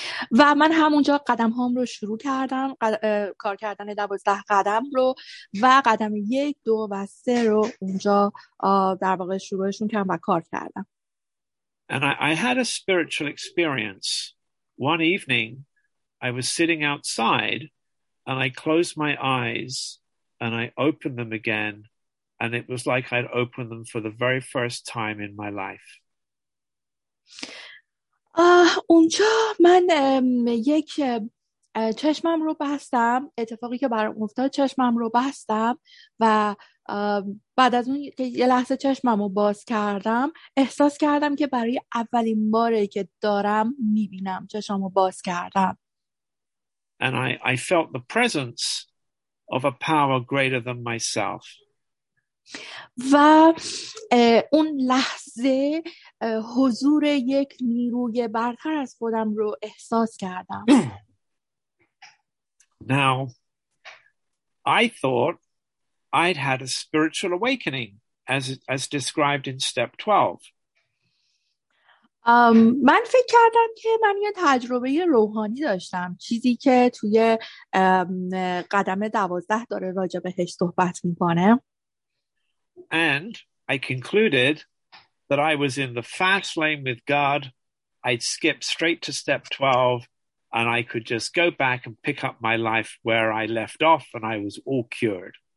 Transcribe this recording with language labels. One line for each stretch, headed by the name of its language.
Persian: و من همونجا قدم هام رو شروع کردم، کار کردن 12 قدم رو و قدم 1, 2 و 3 رو اونجا در واقع شروعشون کردم و کار کردم.
English: And I had a spiritual experience one evening. I was sitting outside and I closed my eyes and I opened them again and it was like I'd opened them for the very first time in my life.
Persian: اونجا من یک چشمم رو بستم، اتفاقی که برام افتاد، چشمم رو بستم و بعد از اون یه لحظه چشمم رو باز کردم، احساس کردم که برای اولین باره که دارم میبینم، چشمم رو باز کردم.
English: And I felt the presence of a power greater than myself.
Persian: و اون لحظه حضور یک نیروی برتر از خودم رو احساس کردم.
English: Now, I thought I'd had a spiritual awakening as described in step 12.
Persian: من فکر کردم که من یه تجربه روحانی داشتم، چیزی که توی قدم 12 داره راجع بهش صحبت میکنه.
English: And I concluded that I was in the fast lane with God. I'd skip straight to step 12 and I could just go back and pick up my life where I left off and I was all cured.